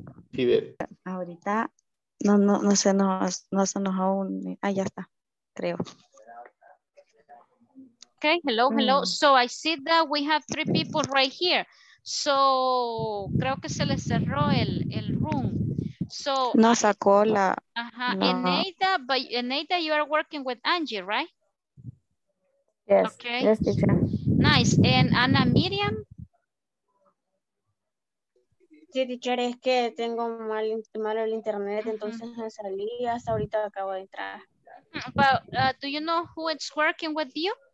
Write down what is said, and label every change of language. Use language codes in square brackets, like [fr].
[es] Fidel. Ahorita no se nos aún. Ah, ya está, creo. [en] Okay, hello, hello. So I see that we have three people right here. [es] So creo que se le cerró el room. So no sacó la. Ajá. [en] Eneida, but Eneida, you are working with Angie, right? Yes. Okay. Yes, teacher. Nice. And Ana Miriam. [es] Sí, teacher, es que tengo malo el internet, entonces me salí hasta ahorita acabo de entrar. [en] But do you know who is working with you?